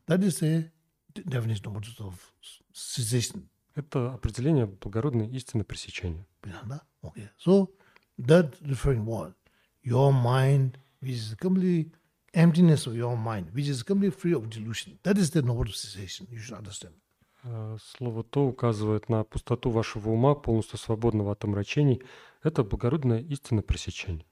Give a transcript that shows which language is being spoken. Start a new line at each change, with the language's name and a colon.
English: That is the definition of the of cessation.
Russian: Это определение благородной истины пресечения.
English: Yeah, да? Okay. So that referring what? your mind, which is completely emptiness of your mind, which is completely free of delusion. That is the noble cessation. You should understand.
Russian: Слово «то» указывает на пустоту вашего ума, полностью свободного от омрачений. Это благородная истина пресечения.